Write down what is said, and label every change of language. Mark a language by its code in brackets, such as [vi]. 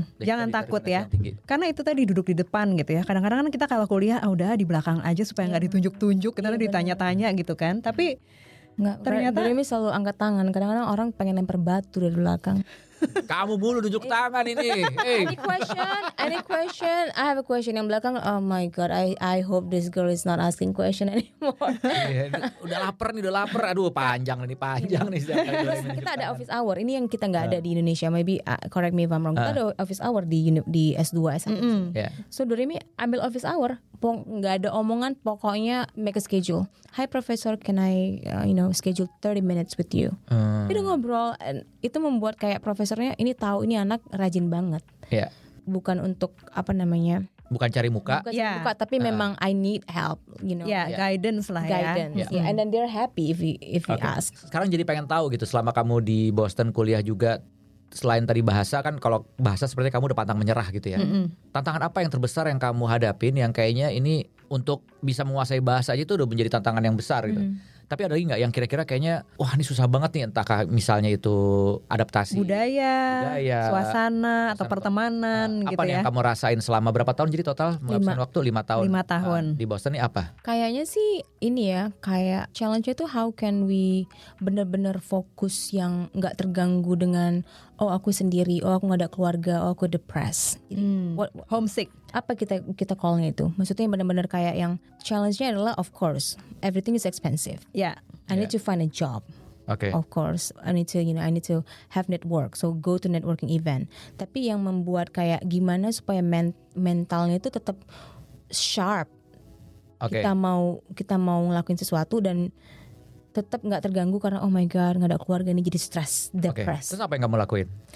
[id] Jangan takut ya. Karena itu tadi duduk di depan gitu ya. Kadang-kadang kan kita kalau kuliah, ah udah di belakang aja supaya gak ditunjuk-tunjuk, kita ditanya-tanya gitu kan. Tapi nggak, ternyata Doremi selalu angkat tangan. Kadang-kadang orang pengen lempar batu dari belakang. Kamu mulu nunjuk tangan ini. [en] Any question? I have a question [id] yang belakang. [en] Oh my god, I hope this girl is not asking question anymore. [id] Udah lapar nih. Aduh, panjang nih. Kita ada office hour. Ini yang kita nggak ada di Indonesia. [en] Maybe correct me if I'm wrong. [id] Kita ada office hour di S2, S1. So Doremi ambil office hour. Nggak ada omongan. Pokoknya [en] make a schedule. Hi professor, can I schedule 30 minutes with you? [id] Kita ngobrol. Itu membuat kayak profesornya ini tahu ini anak rajin banget. Iya. Bukan untuk apa namanya? Bukan cari muka. Bukan cari muka, tapi memang [en] I need help, [id] Guidance lah ya. [en] And then they're happy if you ask. [id] Sekarang jadi pengen tahu gitu, selama kamu di Boston kuliah juga, selain tadi bahasa kan, kalau bahasa sepertinya kamu udah pantang menyerah gitu ya. Tantangan apa yang terbesar yang kamu hadapin yang kayaknya ini untuk bisa menguasai bahasa aja itu udah menjadi tantangan yang besar gitu. Tapi ada lagi nggak yang kira-kira kayaknya wah ini susah banget nih, entahkah misalnya itu adaptasi budaya suasana atau pertemanan gitu ya. Apa yang kamu rasain selama berapa tahun, jadi total menghabiskan waktu 5 tahun di Boston nih, apa kayaknya sih ini ya, kayak challenge-nya tuh [en] how can we [id] benar-benar fokus yang nggak terganggu dengan oh aku sendiri, oh aku nggak ada keluarga, oh aku depressed, [en] homesick. [id] Apa kita call-nya itu? Maksudnya benar-benar kayak yang challenge-nya adalah [en] of course everything is expensive. Yeah. I need to find a job. Okay. Of course, I need to have network. So go to networking event. [id] Tapi yang membuat kayak gimana supaya mentalnya itu tetap sharp. [en] Okay. [id] Kita mau ngelakuin sesuatu dan tetap enggak terganggu karena [en] oh my god, [id] enggak ada keluarga ini jadi stress, depressed. Okay. Terus apa yang kamu lakuin?